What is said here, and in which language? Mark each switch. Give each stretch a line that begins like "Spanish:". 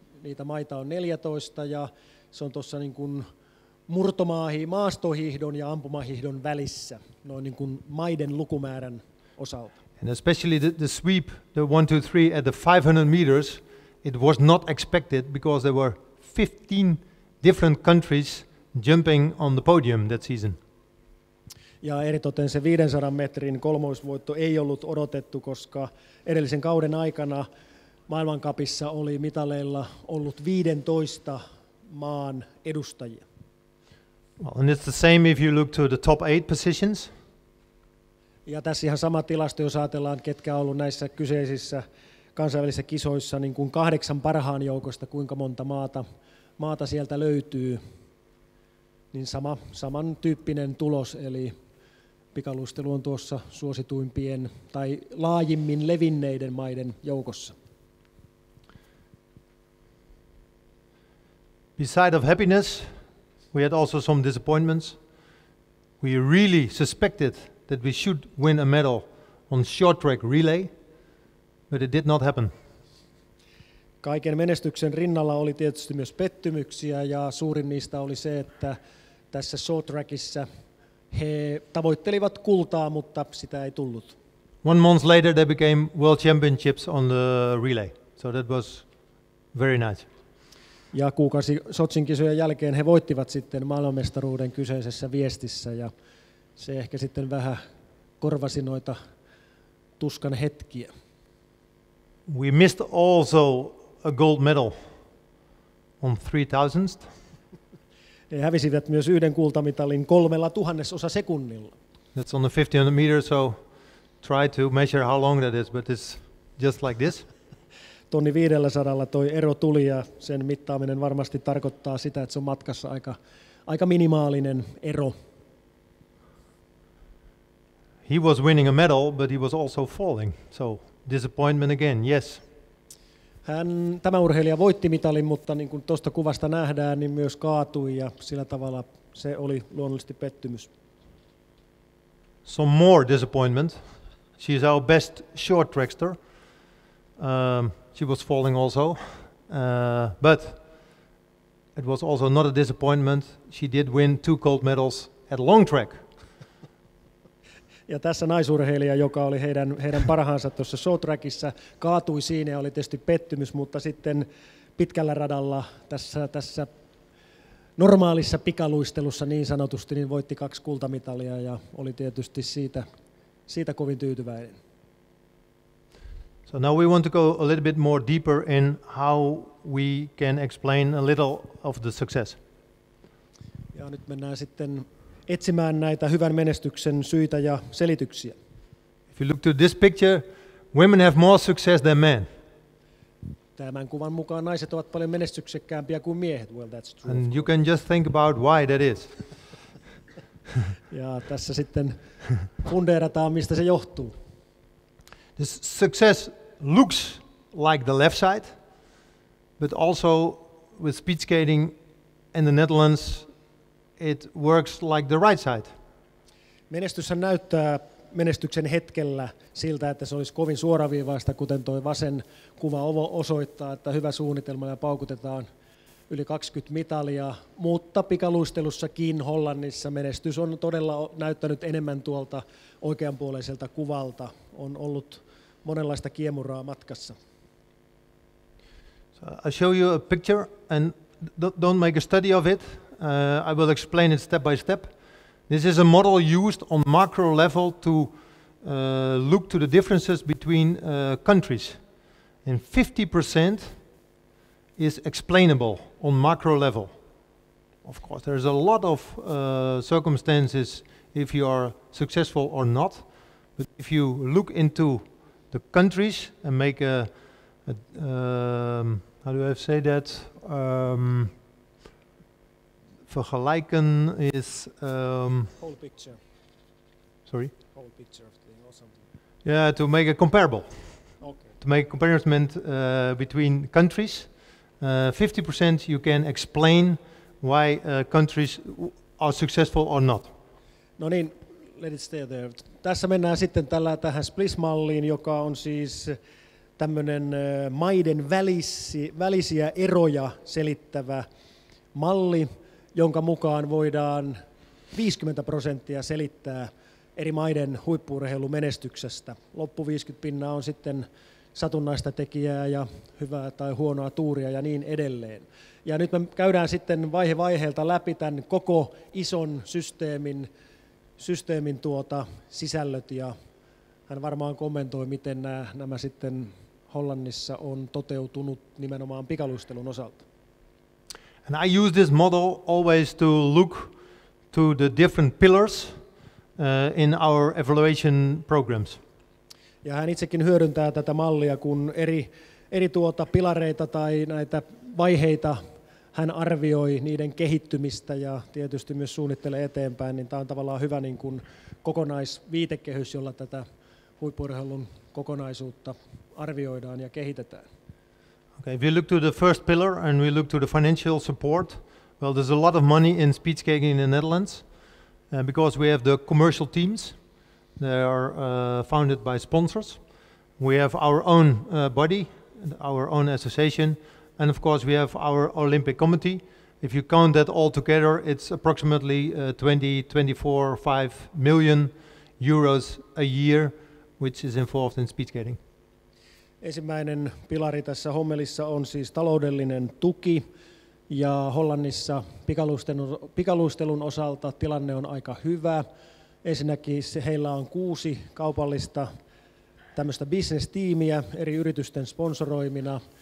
Finnish: Niitä maita on 14, ja se on tuossa niin kuin maastohiihdon ja ampumahiihdon välissä, noin niin kuin maiden lukumäärän osalta.
English: And especially the sweep, the 1-2-3 at the 500 meters, it was not expected because there were 15 different countries jumping on the podium that season.
Finnish: Ja eritoten se 500 metrin kolmoisvoitto ei ollut odotettu, koska edellisen kauden aikana maailmankapissa oli mitaleilla ollut 15 maan edustajia.
English: Well, and it's the same if you look to the top 8 positions.
Finnish: Ja tässä ihan sama tilasto, jos ajatellaan, ketkä on ollut näissä kyseisissä kansainvälisissä kisoissa, niin kuin 8 parhaan joukosta, kuinka monta maata sieltä löytyy, niin samantyyppinen tulos, eli pikaluistelu on tuossa suosituimpien tai laajimmin levinneiden maiden joukossa.
English: Beside of happiness, we had also some disappointments. We really suspected that we should win a medal on short track relay, but it did not happen.
Finnish: Kaiken menestyksen rinnalla oli tietysti myös pettymyksiä, ja suurin niistä oli se, että tässä short trackissa he tavoittelivat kultaa, mutta sitä ei tullut.
English: 1 month later they became world championships on the relay, so that was very nice.
Finnish: Ja kuukausi Sotsin kisojen jälkeen he voittivat sitten maailmanmestaruuden kyseisessä viestissä, ja se ehkä sitten vähän korvasi noita tuskan hetkiä.
English: We missed also a gold medal on 3000th.
Finnish: He hävisivät myös yhden kultamitalin 3000 sekunnilla.
English: That's on the 1500 meters, so try to measure how long that is, but it's just like this.
Finnish: Tonni 500 toi ero tuli ja sen mittaaminen varmasti tarkoittaa sitä, että se on matkassa aika minimaalinen ero.
English: He was winning a medal, but he was also falling. So disappointment again, yes.
Finnish: Tämä urheilija voitti mitalin, mutta niin kuin tuosta kuvasta nähdään, niin myös kaatui ja sillä tavalla se oli luonnollisesti pettymys.
English: Some more disappointment. She is our best short trackster. She was falling also, but It was also not a disappointment. She did win two gold medals at long track.
Finnish: Ja tässä naisurheilija, joka oli heidän parhaansa tuossa short trackissa, kaatui siinä ja oli tietysti pettymys, mutta sitten pitkällä radalla tässä normaalissa pikaluistelussa niin sanotusti, niin voitti kaksi kultamitalia ja oli tietysti siitä kovin tyytyväinen.
English: So now we want to go a little bit more deeper in how we can explain a little of the success.
Finnish: Ja nyt mennään sitten etsimään näitä hyvän menestyksen syitä ja selityksiä.
English: If you look to this picture, women have more success than men.
Finnish: Tämän kuvan mukaan naiset ovat paljon menestyksekkäämpiä kuin miehet.
English: Well, that's true. And you can just think about why that is.
Finnish: Ja tässä sitten fundeerataan, mistä se johtuu.
English: This success looks like the left side, but also with speed skating in the Netherlands, it works like the right side.
Finnish: Menestyshän näyttää menestyksen hetkellä siltä, että se olisi kovin suoraviivaista, kuten tuo vasen kuva osoittaa, että hyvä suunnitelma ja paukutetaan yli 20 mitalia, mutta pikaluistelussakin Hollannissa menestys on todella näyttänyt enemmän tuolta oikeanpuoleiselta kuvalta. On ollut monenlaista kiemuraa matkassa.
English: So I'll show you a picture and don't make a study of it. I will explain it step by step. This is a model used on macro level to look to the differences between countries. And 50% is explainable on macro level. Of course, there's a lot of circumstances if you are successful or not. But if you look into the countries and make
Dutch: vergelijken
English: is whole picture. Sorry. Whole picture of thing or something. Yeah, to make a comparable. Okay. To make a comparison between countries, 50% you can explain why countries are successful or not.
Finnish: No niin,
English: let it stay there.
Finnish: Tässä mennään sitten tähän SPLIS-malliin, joka on siis tämmöinen maiden välisiä eroja selittävä malli, jonka mukaan voidaan 50% selittää eri maiden huippu-urheilumenestyksestä. Loppu 50% on sitten satunnaista tekijää ja hyvää tai huonoa tuuria ja niin edelleen. Ja nyt me käydään sitten vaihe vaiheelta läpi tämän koko ison systeemin sisällöt, ja hän varmaan kommentoi, miten nämä sitten Hollannissa on toteutunut nimenomaan pikaluistelun osalta.
English: And I use this model always to look to the different pillars in our evaluation programs.
Finnish: Ja hän itsekin hyödyntää tätä mallia, kun eri pilareita tai näitä vaiheita hän arvioi niiden kehittymistä ja tietysti myös suunnittelee eteenpäin, niin tämä on tavallaan hyvä niin kuin kokonaisviitekehys, jolla tätä huippu-urheilun kokonaisuutta arvioidaan ja kehitetään.
English: Okay, if we look to the first pillar and we look to the financial support, well, there's a lot of money in speedskating in the Netherlands because we have the commercial teams. They are founded by sponsors. We have our own body, our own association, and of course we have our Olympic committee. If you count that all together, it's approximately 5 million euros a year which is involved in speedskating.
Finnish: Ensimmäinen pilari tässä hommelissa on siis taloudellinen tuki, ja Hollannissa pikaluistelun osalta tilanne on aika hyvä. Ensinnäkin heillä on 6 kaupallista tämmöistä business-tiimiä eri yritysten sponsoroimina.